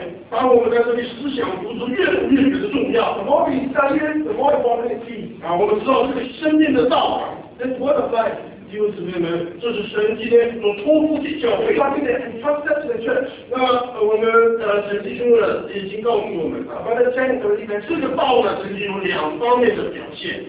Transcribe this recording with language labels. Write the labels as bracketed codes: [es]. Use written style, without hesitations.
[zh] 当我们在这里思想读书，越读越觉得重要。 [en] The more we study, the more important it is. [zh] 啊，我们知道这个生命的道啊。 [en] This word of life. [zh] 弟兄姊妹们，这是神今天所托付给教会。 [en] Something that entrusted to the church. [zh] 那我们神弟兄们已经告诉我们了。 [en] Brother Chen has already mentioned. [zh] 这个道呢，曾经有两方面的表现。